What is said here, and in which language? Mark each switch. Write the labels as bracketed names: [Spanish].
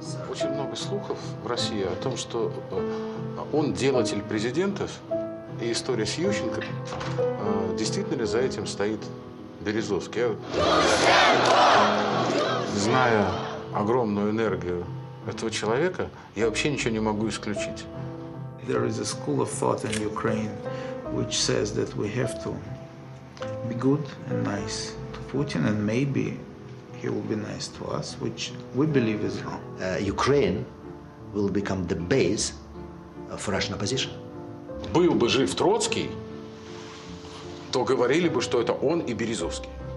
[Russian] Очень много слухов в России о том, что он делатель президентов, и история с Ющенко, действительно ли за этим стоит Березовский. Зная огромную энергию этого человека, я вообще ничего не могу исключить. [English] There is a school of thought in Ukraine which says that we have to be good and nice to Putin, and maybe he will be nice to us, which we believe is wrong. Ukraine will become the base for Russian opposition. [Russian] Был бы жив Троцкий, то говорили бы, что это он и Березовский.